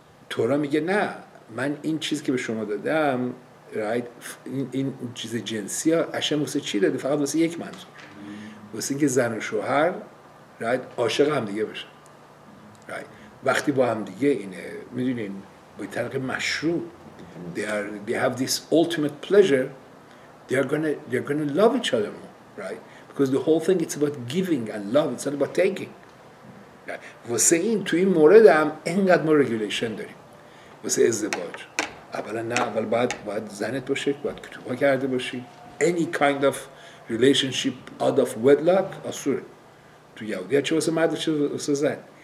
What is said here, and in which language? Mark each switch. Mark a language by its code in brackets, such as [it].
[fa] تورا میگه نه من این چیز که به شما دادم، right؟ این چیز جنسی ها عشق واسه چی داده؟ فقط واسه یک منظور، واسه اینکه زن و شوهر، right؟ عاشق هم دیگه بشن، right؟ وقتی با هم دیگه اینه میدونین با این طریق مشروع they have this ultimate pleasure they're gonna love each other more, right? [en] Because the whole thing it's about giving and love, it's not about taking. [fa] واسه این تو این مورد هم اینقدر ما regulation داریم واسه ازدواج. اولا نه، اول باید زنت باشه، باید کتوبه کرده باشی، any kind of relationship out of wedlock اصوره. تو یهودی ها چه واسه مرد چه واسه زن.